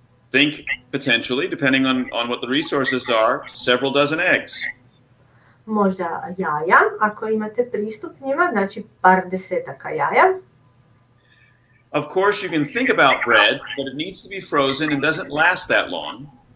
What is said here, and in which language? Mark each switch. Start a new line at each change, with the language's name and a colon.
English: Think potentially, depending on what the resources are, several dozen eggs.
Croatian: Možda jaja, ako imate pristup njima, znači par desetaka jaja.
English: Of course you can think about bread, but it needs to be frozen and doesn't last that long.